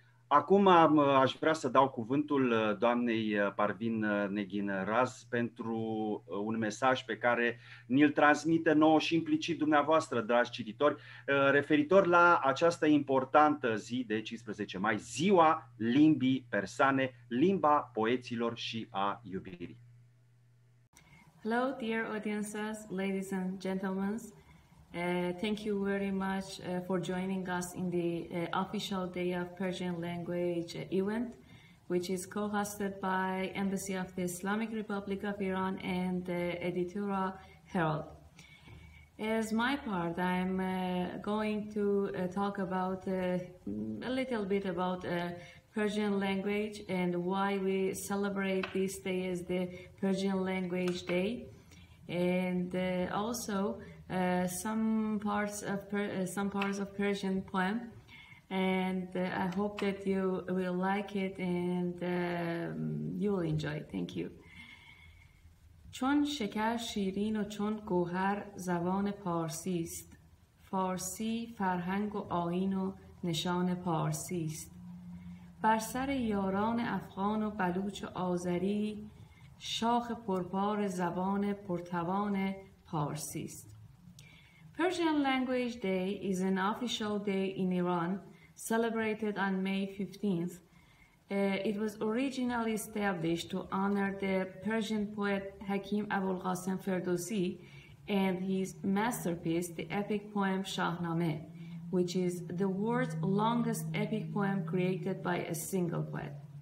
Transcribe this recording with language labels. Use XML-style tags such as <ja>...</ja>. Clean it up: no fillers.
<ro>Acum aș vrea să dau cuvântul doamnei Parvin Neghiraz pentru un mesaj pe care ni-l transmite nouă și implicit dumneavoastră, dragi cititori, referitor la această importantă zi de 15 mai, ziua limbii persane, limba poeților și a iubirii.</ro> <en>Hello, dear audiences, ladies and gentlemen. Thank you very much for joining us in the official Day of Persian Language event, which is co-hosted by Embassy of the Islamic Republic of Iran and the Editura Herald. As my part, I'm going to talk about a little bit about Persian language and why we celebrate this day as the Persian Language Day, and also some parts of Persian poem, and I hope that you will like it and you'll enjoy it. Thank you.</en> <fa>چون شکر شیرین و چون گوهر زبان پارسی است، فارسی فرهنگ و آیین و نشان پارسی است. بر سر یاران افغان و بلوچ و آذری، شاخ پرپار زبان پرتوان پارسی است.</fa> <en>Persian Language Day is an official day in Iran, celebrated on May 15th. It was originally established to honor the Persian poet Hakim Abulghasem Ferdowsi and his masterpiece, the epic poem Shahnameh, which is the world's longest epic poem created by a single poet.</en>